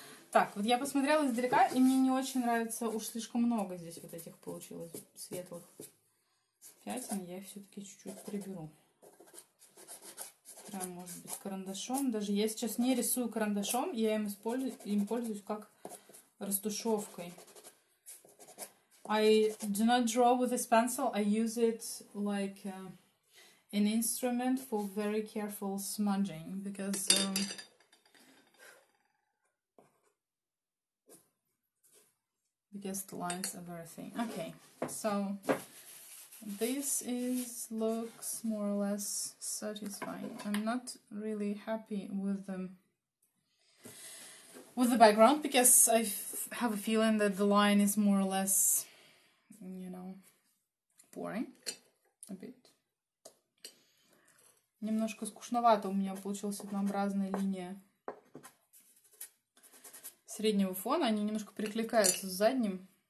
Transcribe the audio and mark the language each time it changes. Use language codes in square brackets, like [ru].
[ru] Так, вот я посмотрела издалека, и мне не очень нравится, уж слишком много здесь вот этих получилось светлых пятен. Я их все-таки чуть-чуть приберу. Прям, может быть, карандашом. Даже я сейчас не рисую карандашом, я им пользуюсь как растушевкой. [en] I do not draw with this pencil, I use it like... An instrument for very careful smudging, because the lines are very thin. Okay, so this is looks more or less satisfying. I'm not really happy with the background, because I have a feeling that the line is more or less, you know, boring a bit. [ru] Немножко скучновато у меня получилась однообразная линия среднего фона. Они немножко перекликаются с задним.